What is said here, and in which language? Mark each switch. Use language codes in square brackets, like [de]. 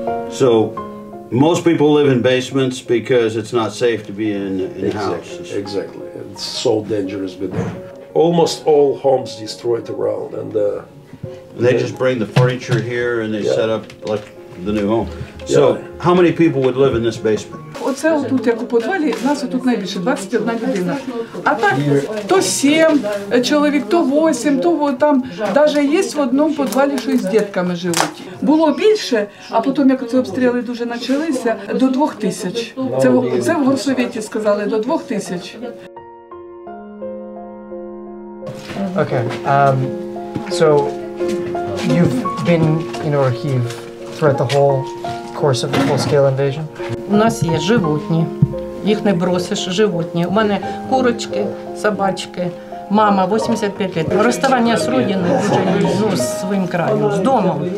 [en] So most people live in basements because it's not safe to be in houses. Exactly. It's so dangerous with them. Almost all homes destroyed around and they just bring the furniture here and they set up like the new home. So, how many people would live in this basement? [uk] Оце тут, як у подвалі, нас тут найбільше, 21 людина. А так, то 7 чоловік, то 8, то там. Даже є в одному подвалі, що із дітками живуть. Було більше, а потім, як ці обстріли дуже почалися, до 2 тисяч. Це в Горсовіті сказали, до 2 тисяч. [en] Окей, so, you've been in Orhiv throughout the whole course of the full-scale invasion? [uk] У нас є животні. Їх не бросиш, животні. У мене курочки, собачки, мама 85 років. Розставання з родиною дуже ну, з своїм краєм, з домом.